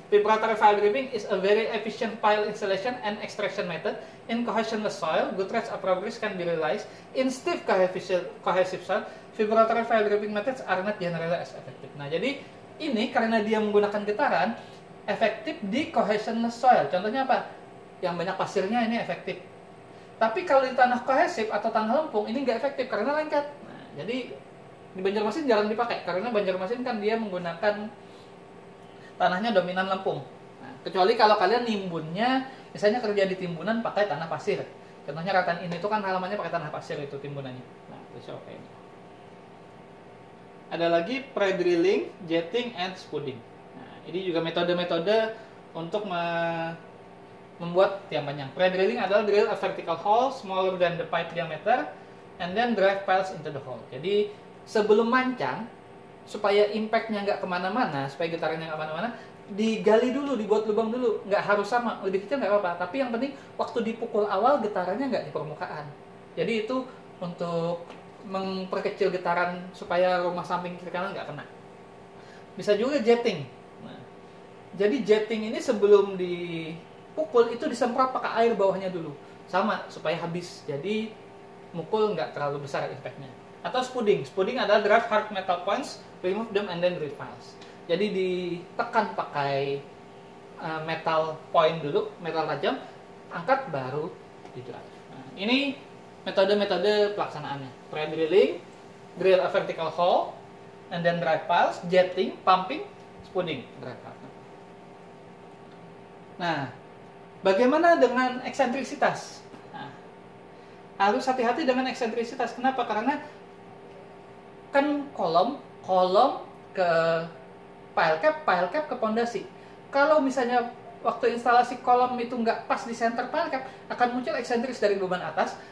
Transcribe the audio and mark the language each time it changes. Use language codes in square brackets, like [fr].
[en] Vibratory file driving is a very efficient pile installation and extraction method. In cohesionless soil, good rates of progress can be realized. In stiff cohesive soil, vibratory file driving methods are not generally as effective. [id] Nah, jadi ini karena dia menggunakan getaran, efektif di cohesionless soil. Contohnya apa? Yang banyak pasirnya ini efektif. Tapi kalau di tanah kohesif atau tanah lempung, ini nggak efektif karena lengket. Nah, jadi di Banjarmasin jarang dipakai karena Banjarmasin kan dia menggunakan tanahnya dominan lempung. Nah, kecuali kalau kalian nimbunnya, misalnya kerja di timbunan pakai tanah pasir. Contohnya Rattan Inn itu kan halamannya pakai tanah pasir itu timbunannya. Nah, itu sih oke. Ada lagi pre-drilling, jetting, and spudding. Nah, ini juga metode-metode untuk membuat tiang panjang. [en] Pre-drilling [id] adalah [en] drill a vertical hole smaller than the pipe diameter, and then drive piles into the hole. [id] Jadi, sebelum mancang, supaya impact-nya nggak kemana-mana, supaya getarannya nggak kemana-mana, digali dulu, dibuat lubang dulu. Nggak harus sama, lebih kecil nggak apa-apa. Tapi yang penting, waktu dipukul awal, getarannya nggak di permukaan. Jadi itu untuk memperkecil getaran supaya rumah samping kiri kanan nggak kena. Bisa juga jetting. Jadi jetting ini sebelum dipukul, itu disemprot pakai air bawahnya dulu. Sama, supaya habis. Jadi mukul nggak terlalu besar impact-nya. Atau [en] spudding. Spudding [id] adalah [en] drive hard metal points, remove them and then drive piles. [id] Jadi ditekan pakai metal point dulu, metal tajam, angkat baru di drive. Nah, ini metode-metode pelaksanaannya. [en] Pre-drilling, drill a vertical hole, and then drive piles, jetting, pumping, spudding, drive hard. [id] Nah, bagaimana dengan eksentrisitas? Nah, harus hati-hati dengan eksentrisitas. Kenapa? Karena kan kolom ke pile cap ke pondasi. Kalau misalnya waktu instalasi kolom itu nggak pas di center pile cap, akan muncul eksentris dari beban atas.